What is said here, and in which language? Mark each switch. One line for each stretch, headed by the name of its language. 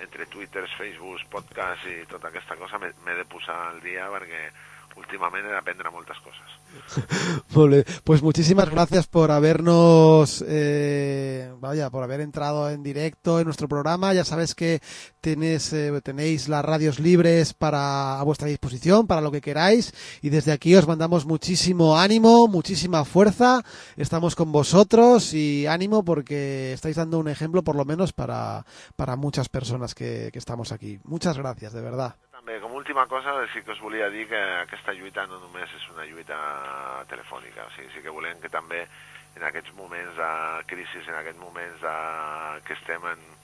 Catalan: Twitter, Facebook, podcast i tota aquesta cosa, m'he de posar al dia perquè últimament he d'aprendre moltes coses. Molt bé,
Spanish: pues muchísimas gracias por habernos vaya, por haber entrado en directo en nuestro programa. Ya sabes que tenéis las radios libres para a vuestra disposición, para lo que queráis, y desde aquí os mandamos muchísimo ánimo, muchísima fuerza, estamos con vosotros y ánimo porque estáis dando un ejemplo por lo menos para muchas personas que estamos aquí. Muchas gracias, de verdad.
Catalan: Com última cosa, sí que us volia dir que aquesta lluita no només és una lluita telefònica, o sigui, sí que volem que també en aquests moments de crisi, en aquests moments de, que estem en,